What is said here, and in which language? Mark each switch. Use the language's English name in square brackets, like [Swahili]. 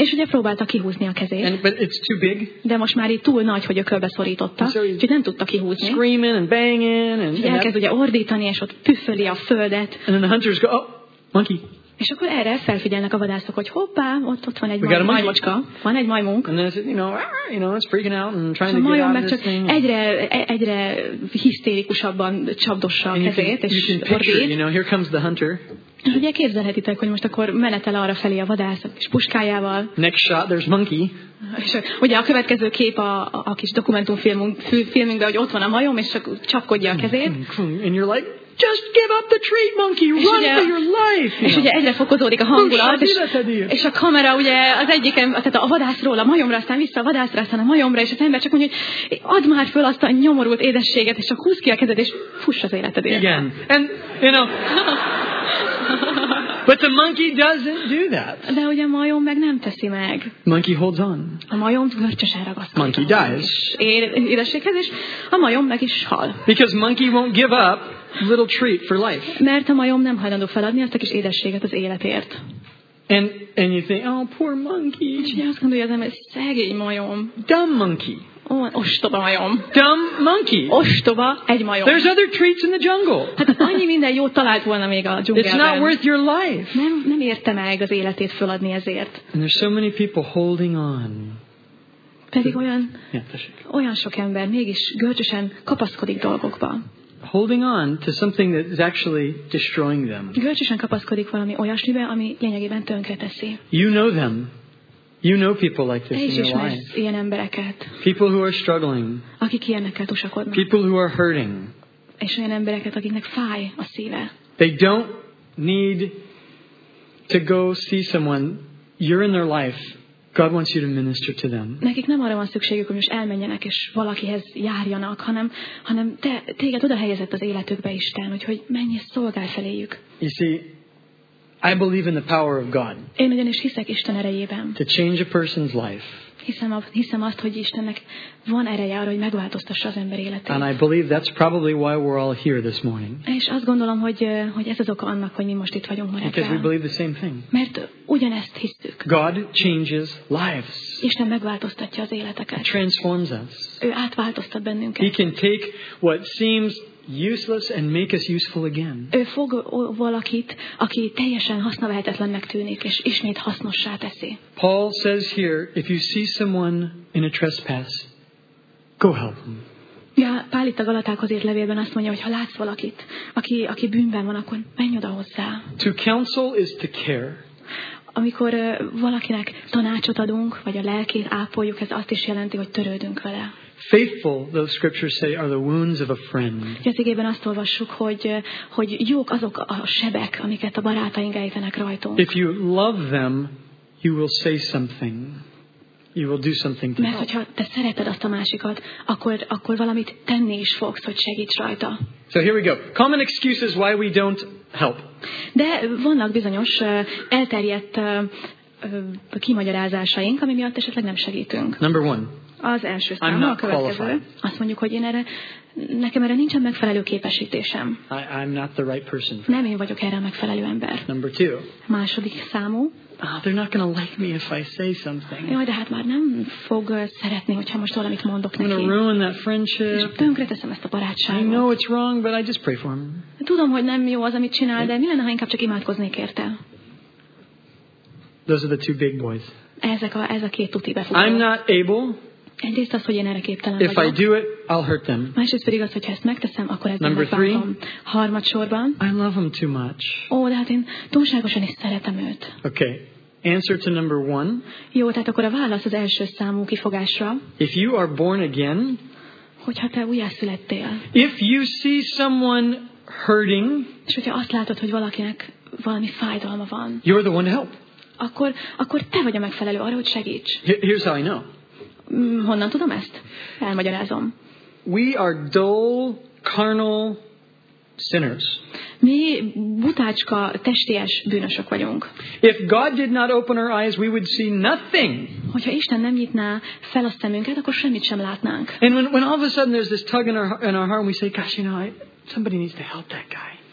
[Hungarian] És ugye próbálta kihúzni a kezét. [English] But it's too big. [Hungarian] De most már így túl nagy, hogy a körbe szorította. Úgyhogy nem tudta kihúzni. [English] Screaming and banging. [Hungarian] Elkezd ugye ordítani, és ott püföli a földet. [English] And then the hunters go, oh, monkey. [Hungarian] És akkor erre felfigyelnek a vadászok, hogy hoppá, ott van egy majmocska, van egy majmunk. [English] And then it's, you know, it's freaking out and trying to get out of this thing. [Hungarian] Egyre hisztérikusabban csapdossa a kezét, és [English] picture, you know, here comes the hunter. [Hungarian] És ugye képzelhetitek, hogy most akkor menetel arra felé a vadász és puskájával. [English] Next shot, there's monkey. [Hungarian] És ugye a következő kép a kis dokumentumfilmünkben, hogy ott van a majom, és csak csapkodja a kezét. [English] And you're like, just give up the tree, monkey, run [Hungarian] ugye, [English] for your life. [Hungarian] És ugye egyre fokozódik a hangulat, és a kamera ugye az egyiken, tehát a vadászról a majomra, aztán vissza a vadászra, aztán a majomra, és az ember csak mondja, hogy add már föl azt a nyomorult édességet, és csak húzd ki a kezed, és fuss az életedért. Igen. [English] And, you know... But the monkey doesn't do that. [Hungarian] De ugye a majom meg nem teszi meg. [English] Monkey holds on. [Hungarian] A majom görcsösen ragaszkodik. [English] Monkey dies. [Hungarian] Édességhez, és a majom meg is hal. [English] Because monkey won't give up little treat for life. [Hungarian] Mert a majom nem hajlandó feladni azt a kis édességet az életért. [English] And you think, oh, poor monkey. [Hungarian] És ugye azt gondolja az ember, szegény majom. [English] Dumb monkey. [Hungarian] Ostoba majom. [English] Dumb monkey. [Hungarian] Ostoba egy majom. [English] There's other treats in the jungle. [Hungarian] Hát annyi minden jót talált volna még a dzsungelben. [English] It's not worth your life. [Hungarian] Nem érte meg az életét föladni ezért. [English] And there's so many people holding on. [Hungarian] Pedig olyan sok ember mégis görcsösen kapaszkodik dolgokba. [English] Holding on to something that is actually destroying them. [Hungarian] Görcsösen kapaszkodik valami olyasmibe, ami lényegében tönkreteszi. [English] You know them. You know people like this in your life. [Hungarian] Ilyen embereket. [English] People who are struggling. [Hungarian] Akik ilyenekkel tusakodnak. [English] People who are hurting. [Hungarian] És olyan embereket, akiknek fáj a szíve. [English] They don't need to go see someone. You're in their life. God wants you to minister to them. [Hungarian] Nekik nem arra van szükségük, hogy most elmenjenek és valakihez járjanak, hanem téged oda helyezett az életükbe Isten, úgyhogy mennyi szolgál feléjük. [English] You see, I believe in the power of God. [Hungarian] Én ugyanis hiszek Isten erejében. [English] To change a person's life. [Hungarian] Hiszem azt, hogy Istennek van ereje arra, hogy megváltoztassa az ember életét. [English] And I believe that's probably why we're all here this morning. [Hungarian] És azt gondolom, hogy ez az oka annak, hogy mi most itt vagyunk ma reggel. [English] Because we believe the same thing. [Hungarian] Mert ugyanezt hisszük. [English] God changes lives. [Hungarian] Isten megváltoztatja az életeket. [English] He transforms us. [Hungarian] Ő átváltoztat bennünket. [English] He can take what seems useless and make us useful again. [Hungarian] Ő fog valakit, aki teljesen hasznavehetetlennek tűnik, és ismét hasznossá teszi. [English] Paul says here, if you see someone in a trespass, go help them. [Hungarian] Ja, Pál itt a Galatákhoz írt levélben azt mondja, hogy ha látsz valakit, aki bűnben van, akkor menj oda hozzá. [English] To counsel is to care. [Hungarian] Amikor valakinek tanácsot adunk, vagy a lelkét ápoljuk, ez azt is jelenti, hogy törődünk vele. [English] Faithful, those scriptures say, are the wounds of a friend. [Hungarian] Igében azt olvassuk, hogy jók azok a sebek, amiket a barátaink ejtenek rajtunk. [English] If you love them, you will say something. You will do something to help. [Hungarian] Mert hogyha te szereted azt a másikat, akkor valamit tenni is fogsz, hogy segíts rajta. [English] So here we go. Common excuses why we don't help. [Hungarian] De vannak bizonyos elterjedt kimagyarázásaink, ami miatt esetleg nem segítünk. [English] Number one. [Hungarian] Az első számú, a következő. Azt mondjuk, hogy nekem erre nincsen megfelelő képesítésem. [English] I'm not the right person. [Hungarian] Nem én vagyok erre a megfelelő ember. [English] Number two. [Hungarian] Második számú. [English] They're not going to like me if I say something. [Hungarian] Jaj, de hát már nem fog szeretni, hogyha most valamit mondok neki. [English] I'm going to ruin that friendship. [Hungarian] És tönkreteszem ezt a barátságot. [English] I know it's wrong, but I just pray for him. [Hungarian] Tudom, hogy nem jó az, amit csinál, de mi lenne, ha inkább csak imádkoznék érte? [English] Those are the two big boys. [Hungarian] Ez a két tuti befogó. [English] I'm not able. [Hungarian] Egyrészt az, hogy én erre képtelen [English] If [Hungarian] vagyok. [English] I do it, I'll hurt them. [Hungarian] Másrészt pedig az, hogy ezt megteszem, akkor ezt [English] Number [Hungarian] megbántom. [English] Three, [Hungarian] harmadsorban. [English] I love him too much. [Hungarian] Ó, de hát én túlságosan is szeretem őt. [English] Okay. Answer to number one. [Hungarian] Jó, tehát akkor a válasz az első számú kifogásra. [English] If you are born again. [Hungarian] Hogyha te újjászülettél. [English] If you see someone hurting. [Hungarian] És hogyha azt látod, hogy valakinek valami fájdalma van. [English] You're the one to help. [Hungarian] Akkor te vagy a megfelelő arra, hogy segíts. [English] Here's how I know. [Hungarian] Honnan tudom ezt? Elmagyarázom. [English] We are dull, carnal sinners. [Hungarian] Mi butácska, testies bűnösök vagyunk. [English] If God did not open our eyes, we would see nothing. [Hungarian] Hogyha Isten nem nyitná fel a szemünket, akkor semmit sem látnánk. [English] And when all of a sudden there's this tug in our heart, and we say, gosh, you know, somebody needs to help that guy.